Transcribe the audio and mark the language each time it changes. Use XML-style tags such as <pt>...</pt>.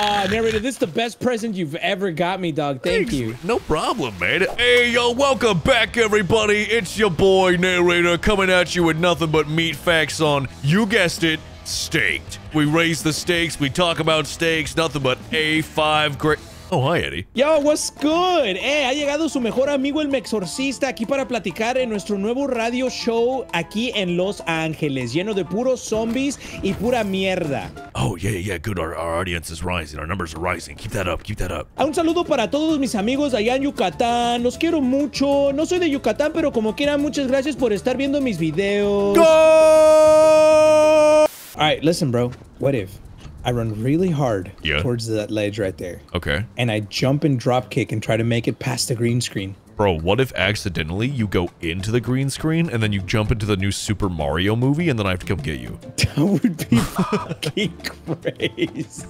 <en>Narrator, this is the best present you've ever got me, dog. Thanks. No problem, man. Hey, yo, welcome back, everybody. It's your boy, Narrator, coming at you with nothing but meat facts on, you guessed it, Staked. We raise the stakes, we talk about stakes, nothing but A5 great... Oh, hi, Eddie. Yo, what's good?</en> <es>Hey, ha llegado su mejor amigo, el Mexorcista, aquí para platicar en nuestro nuevo radio show aquí en Los Ángeles, lleno de puros zombies y pura mierda.</es> <en>Oh, yeah, good. Our audience is rising. Our numbers are rising. Keep that up.</en> <es>Un saludo para todos mis amigos allá en Yucatán. Los quiero mucho. No soy de Yucatán, pero como quiera, muchas gracias por estar viendo mis videos.</es> <en>Go! All right, listen, bro. What if I run really hard towards that ledge right there. Okay. And I jump and drop kick and try to make it past the green screen. Bro, what if accidentally you go into the green screen and then you jump into the new Super Mario movie and then I have to come get you? That would be fucking crazy.</en>